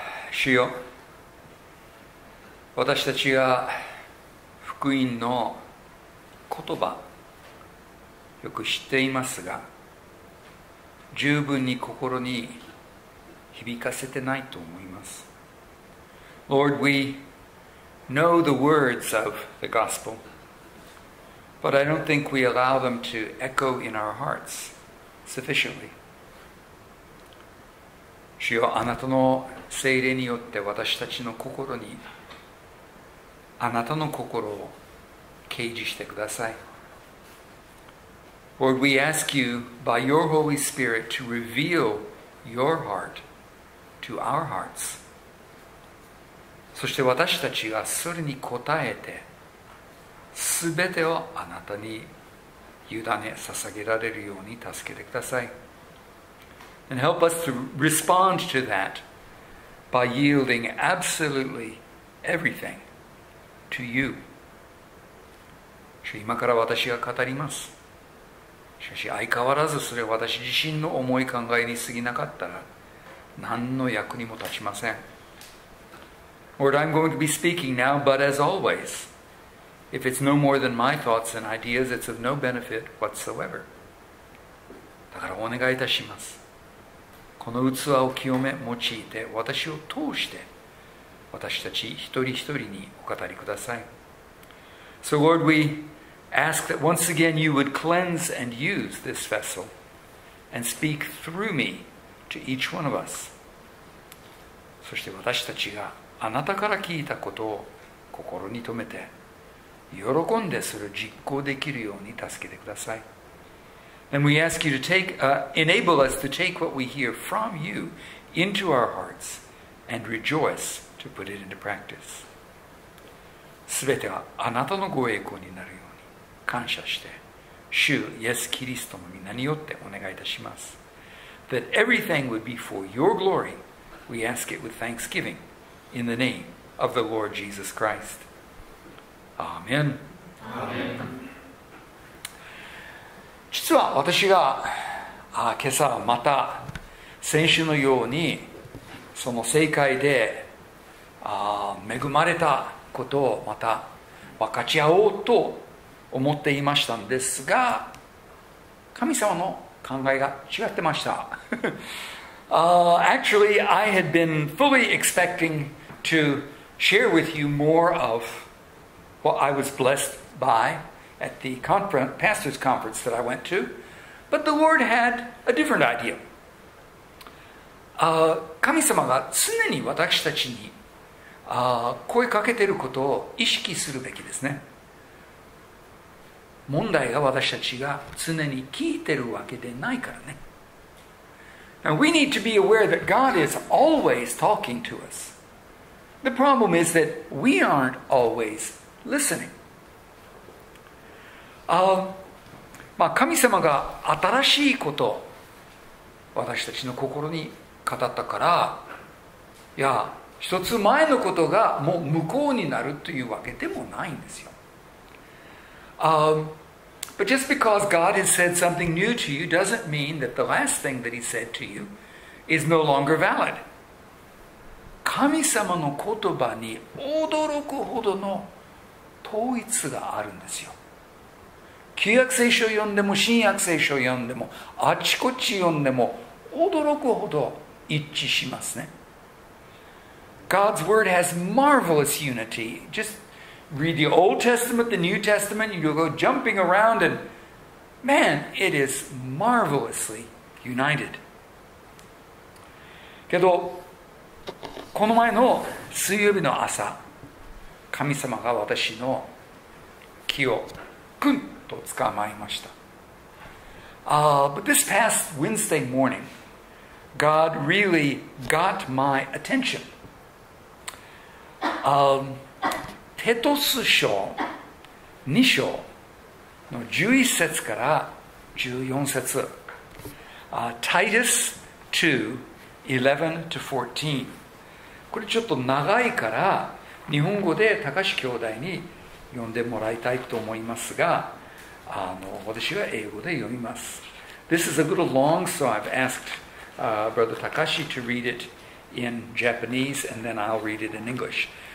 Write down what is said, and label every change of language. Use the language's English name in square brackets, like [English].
[Japanese] 主よ、私たちが福音の言葉、よく知っていますが、十分に心に響かせてないと思います。 [English] Lord, we know the words of the gospel, but I don't think we allow them to echo in our hearts. Sufficiently. [Japanese] 主よ、あなたの聖霊によって私たちの心にあなたの心を啓示してください。 [English] Lord, we ask you by your Holy Spirit to reveal your heart to our hearts. [Japanese] そして私たちがそれに応えて全てをあなたに委ね捧げられるように助けてください。 [English] And help us to respond to that by yielding absolutely everything to you. [Japanese] 今から私が語ります。しかし相変わらずそれは私自身の思い考えに過ぎなかったら何の役にも立ちません。 [English] Lord, I'm going to be speaking now, but as always,If it's no more than my thoughts and ideas, it's of no benefit whatsoever. [Japanese] だからお願いいたします。この器を清め、用いて、私を通して、私たち一人一人にお語りください。 [English] So Lord, we ask that once again you would cleanse and use this vessel and speak through me to each one of us. [Japanese] そして私たちがあなたから聞いたことを心に留めて、喜んでそれを実行できるように助けてください。 [English] And we ask you to take, enable us to take what we hear from you into our hearts and rejoice to put it into practice. [Japanese] すべてはあなたのご栄光になるように感謝して、主イエス・キリストの御名によってお願いいたします。 [English] That everything would be for your glory, we ask it with thanksgiving in the name of the Lord Jesus Christ. Amen. Amen. [Japanese] 実は私が今朝はまた先週のようにその聖会で恵まれたことをまた分かち合おうと思っていましたんですが、神様の考えが違ってました。 [English] actually, I had been fully expecting to share with you more ofWhat I was blessed by at the conference, pastor's conference that I went to, but the Lord had a different idea. [Japanese] 神様が常に私たちに声かけていることを意識するべきですね。問題が私たちが常に聞いているわけでないからね。 [English] Now we need to be aware that God is always talking to us. The problem is that we aren't always. Listening. [Japanese] まあ、神様が新しいことを私たちの心に語ったから、いや、一つ前のことがもう無効になるというわけでもないんですよ。 [English] But just because God has said something new to you doesn't mean that the last thing that He said to you is no longer valid. [Japanese] 神様の言葉に驚くほどの統一があるんですよ。旧約聖書を読んでも新約聖書を読んでもあちこち読んでも驚くほど一致しますね。 [English] God's word has marvelous unity. Just read the Old Testament, the New Testament, you go jumping around and man, it is marvelously united. [Japanese] けど、この前の水曜日の朝、神様が私の気をグンと捕まえました。 [English] But this past Wednesday morning, God really got my attention. [Japanese] テトス書2章の11節から14節。 [English] Titus 2:11-14. [Japanese] これちょっと長いから日本語で高橋兄弟に読んでもらいたいと思いますが、私は英語で読みます。 [English] This is a little long, so I've asked Brother Takashi to read it in Japanese, and then I'll read it in English.